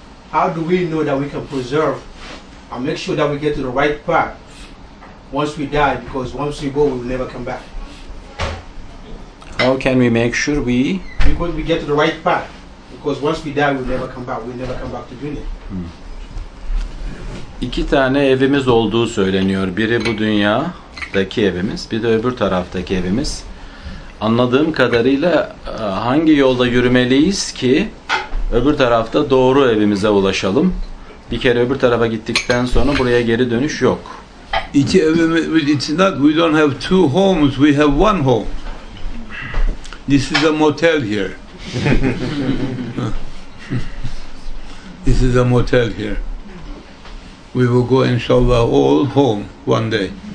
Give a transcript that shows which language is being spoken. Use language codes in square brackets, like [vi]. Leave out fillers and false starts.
[en] How do we know that we can preserve and make sure that we get to the right path once we die? Because once we go, we will never come back. How can we make sure we? Because we get to the right path. Because once we die, we'll never come back. We'll never come back to dunya. Hmm. [tr] İki tane evimiz olduğu söyleniyor. Biri bu dünyadaki evimiz, bir de öbür taraftaki evimiz. Anladığım kadarıyla hangi yolda yürümeliyiz ki öbür tarafta doğru evimize ulaşalım? Bir kere öbür tarafa gittikten sonra buraya geri dönüş yok. İki evimiz, [en] it's not, we don't have two homes, we have one home. This is a motel here. This is a motel here. We will go, inshallah, all home one day.